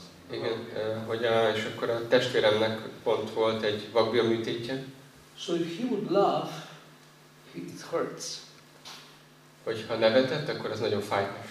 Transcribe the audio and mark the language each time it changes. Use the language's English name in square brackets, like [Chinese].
[Hungarian] Igen, és akkor a testvéremnek pont volt egy vakbél műtétje. [English] So if he would laugh, it hurts. [Hungarian] Hogyha nevetett, akkor ez nagyon fáj.